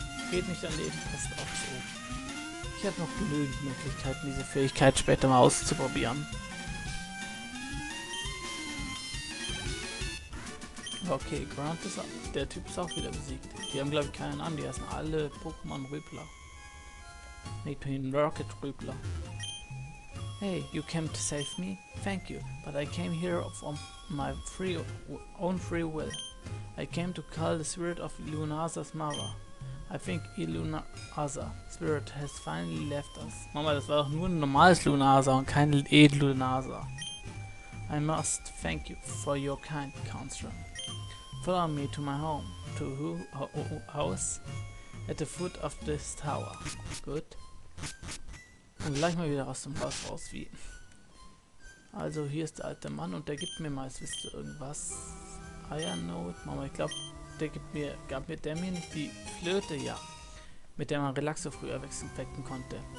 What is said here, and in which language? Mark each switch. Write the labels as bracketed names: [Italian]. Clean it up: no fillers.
[German] Geht nicht daneben, passt auch so. Ich habe noch genügend Möglichkeiten, diese Fähigkeit später mal auszuprobieren. Okay, Grant ist der Typ ist auch wieder besiegt. Die haben glaube ich keinen Namen, die heißen alle Pokémon Rübler. Nicht nur den Rocket Rübler. [English] Hey, you came to save me? Thank you, but I came here of my own free will. I came to call the spirit of Lunasa's mother. I think Lunasa Spirit has finally left us. [German] Mama, das war doch nur ein normales Lunasa und kein Edlunasa. [English] I must thank you for your kind counsel. Follow me to my home. To who? House? At the foot of this tower. [German] Gut. Und gleich mal wieder aus dem Haus raus wie. Also, hier ist der alte Mann und der gibt mir mal, wisst ihr irgendwas? Iron Note? Mama, ich glaube. Gab mir die Flöte, ja, mit der man Relaxo früher wecken konnte.